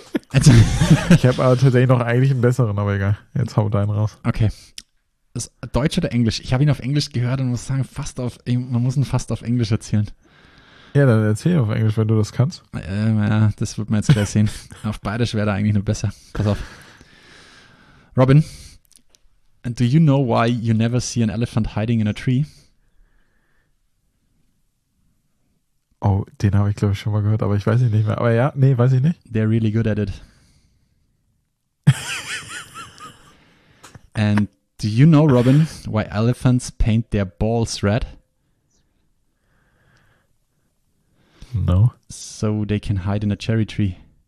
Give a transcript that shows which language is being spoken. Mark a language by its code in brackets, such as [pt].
[de] Also, ich habe aber tatsächlich noch eigentlich einen besseren, aber egal. Jetzt hau deinen raus. Okay. Ist Deutsch oder Englisch? Ich habe ihn auf Englisch gehört und muss sagen, man muss ihn fast auf Englisch erzählen. Ja, dann erzähl auf Englisch, wenn du das kannst. Ja, das wird man jetzt gleich sehen. Auf Bayerisch wäre da eigentlich nur besser. Pass auf. [en] Robin, do you know why you never see an elephant hiding in a tree? [de] Oh, den habe ich, glaube ich, schon mal gehört, aber ich weiß ihn nicht mehr. Aber ja, nee, weiß ich nicht. [en] They're really good at it. And do you know, Robin, why elephants paint their balls red? No. So they can hide in a cherry tree.